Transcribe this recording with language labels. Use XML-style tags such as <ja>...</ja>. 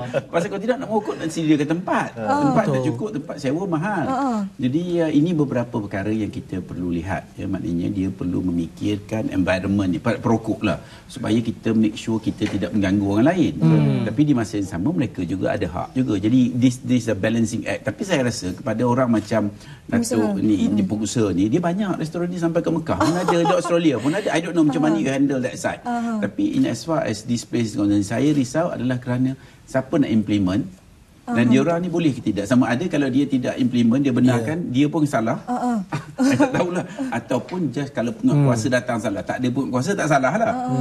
<ms>Pasal kau tidak nak mokok dan sendiri ke tempat. Tempat tak cukup, tempat sewa mahal. Jadi ini beberapa perkara yang kita perlu lihat, ya. Maknanya dia perlu memikirkan environment ni, perokok lah, supaya kita make sure kita tidak mengganggu orang lain. Tapi di masa yang sama, mereka juga ada hak juga. Jadi</ms> <en>this is a balancing act.</en> <ms>Tapi saya rasa kepada orang macam Datuk ni, di pengusaha ni, dia banyak restoran ni sampai ke Mekah pun ada, di Australia pun ada.</ms> <en>I don't know</en> <ms>macam mana</ms> <en>you handle that side.</en> <ms>Tapi</ms> <en>in as far as this place,</en> <ms>saya risau adalah kerana siapa nak implement. Dan diorang ni boleh ke tidak? Sama ada kalau dia tidak implement, dia benarkan, dia pun salah. Saya tak tahulah. Ataupun just kalau penguasa datang salah. Tak ada penguasa, tak salah lah.</ms>